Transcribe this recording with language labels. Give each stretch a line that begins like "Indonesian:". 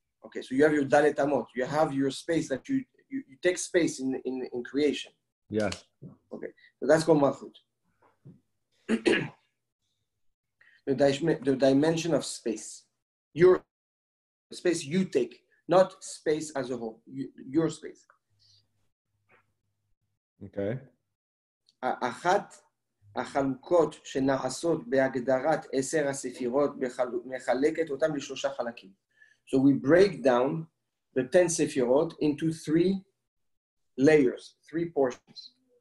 English: Okay, so you have your dalet amot. You have your space that you take space in creation. Yes. Okay. So that's called Malchut. the dimension of space. Your space you take, not space as a whole. Your space. Okay.
Hebrew: Achat החלוקות שנעשות בהגדרת עשר הספירות מחלקת אותם לשלושה חלקים.
English: So we break down the 10 ספירות into 3 layers, 3 portions.